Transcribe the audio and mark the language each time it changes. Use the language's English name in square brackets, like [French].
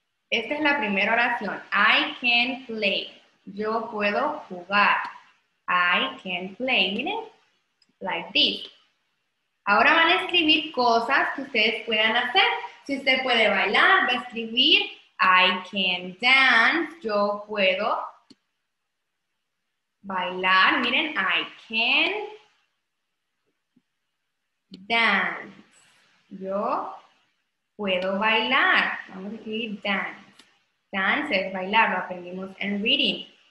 [Spanish] Esta es la primera oración, [English] I can play. [Spanish] Yo puedo jugar. [English] I can play, [Spanish] miren, [English] like this. [Spanish] Ahora van a escribir cosas que ustedes puedan hacer. Si usted puede bailar, va a escribir, [English] I can dance, [Spanish] yo puedo bailar, miren, I can dance, yo puedo bailar, vamos a escribir dance, dance es bailar, lo aprendimos en reading.